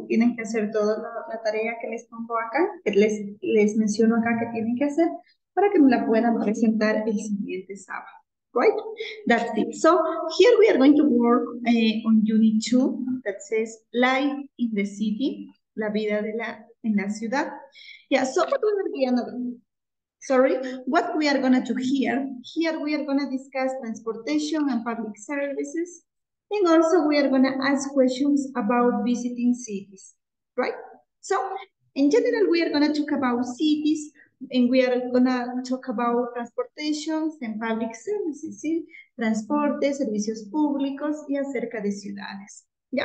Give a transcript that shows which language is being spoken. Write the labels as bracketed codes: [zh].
[es] Tienen que hacer toda la tarea que les pongo acá, que les menciono acá que tienen que hacer para que me la puedan presentar el siguiente sábado. [en] Right? That's it. So, here we are going to work on Unit 2, that says Life in the City, [es] la vida de la. En la ciudad. [en] Yeah, so what we are going to do, sorry, what we are going to do here, we are going to discuss transportation and public services, and also we are going to ask questions about visiting cities, right? So, in general, we are going to talk about cities, and we are going to talk about transportation and public services, ¿sí? [es] Transporte, servicios públicos, y acerca de ciudades, ¿ya?